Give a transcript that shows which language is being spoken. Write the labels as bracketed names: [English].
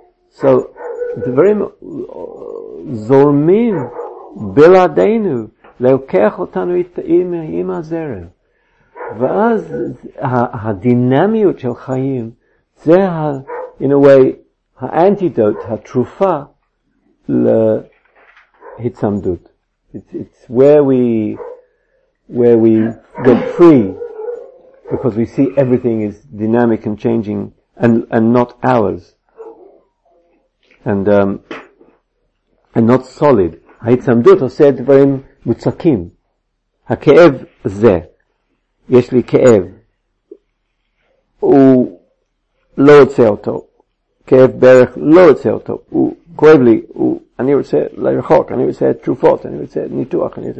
[Hebrew] So, דברים זורמים בלעדינו לוקח אותנו עם הזרם. ואז הדינמיות של חיים זה [English] in a way [Hebrew] האנטידוט, התרופה להצמדות. [English] It's where we get free, because we see everything is dynamic and changing and not ours. And not solid. [Hebrew] ההצמדות עושה דברים מוצקים. הכאב זה. יש לי כאב. הוא לא רוצה אותו. כאב ברך לא רוצה אותו. הוא כואב לי. אני רוצה לרחוק. אני רוצה תרופות. אני רוצה ניתוח.